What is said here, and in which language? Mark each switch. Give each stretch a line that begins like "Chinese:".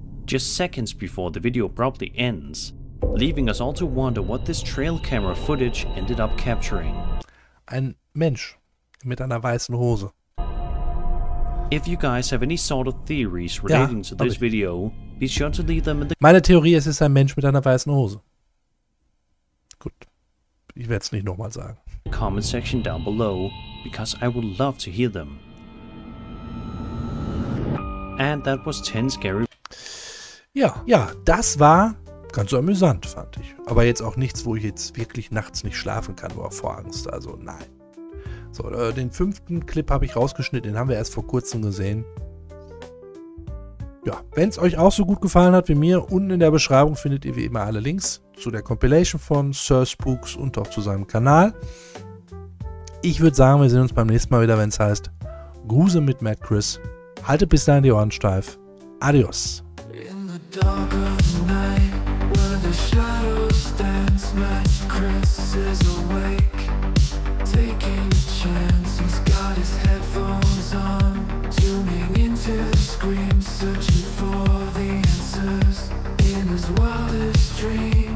English: Just seconds before the video abruptly ends, leaving us all to wonder what this trail camera footage ended up capturing.
German: Ein Mensch mit einer weißen Hose.
English: If you guys have any sort of theories relating to this video, be sure to leave them in the...
German: Meine Theorie ist, es ist ein Mensch mit einer weißen Hose. Gut. Ich werde es nicht nochmal sagen.
English: Comment section down below, because I would love to hear them. And that was 10 scary...
German: Ja, ja, das war ganz so amüsant, fand ich. Aber jetzt auch nichts, wo ich jetzt wirklich nachts nicht schlafen kann, war vor Angst, also nein. So, den 5. Clip habe ich rausgeschnitten, den haben wir erst vor kurzem gesehen. Ja, wenn es euch auch so gut gefallen hat wie mir, unten in der Beschreibung findet ihr wie immer alle Links zu der Compilation von Sir Spooks und auch zu seinem Kanal. Ich würde sagen, wir sehen uns beim nächsten Mal wieder, wenn es heißt Grusel mit MadCChris. Haltet bis dahin die Ohren steif. Adios.
English: In the dark of night, where the shadows dance, MadCChris is awake, taking a chance. He's got his headphones on, tuning into the screen, searching for the answers in his wildest dreams.